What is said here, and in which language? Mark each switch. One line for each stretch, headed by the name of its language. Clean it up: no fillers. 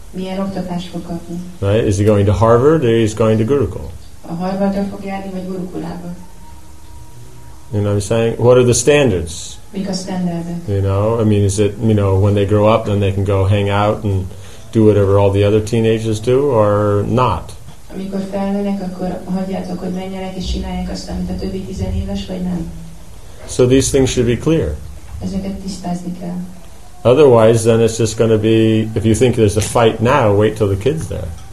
Hungarian: Milyen oktatást fog kapni?
English: Right? Is he going to Harvard or is he going to Gurukul?
Hungarian: A Harvardra fog járni, vagy Gurukulába?
English: You know what I'm saying? What are the standards?
Hungarian: Mik a standardok?
English: You know, I mean, is it, you know, when they grow up, then they can go hang out and do whatever all the other teenagers do, or not?
Hungarian: Amikor felnőnek, akkor hagyjátok, hogy menjenek és csinálják azt, amit a többi tizenéves, vagy nem?
English: So these things should be clear.
Hungarian: Ezeket tisztázni kell.
English: Otherwise, then it's just going to be, if you think there's a fight now, wait till the kid's there.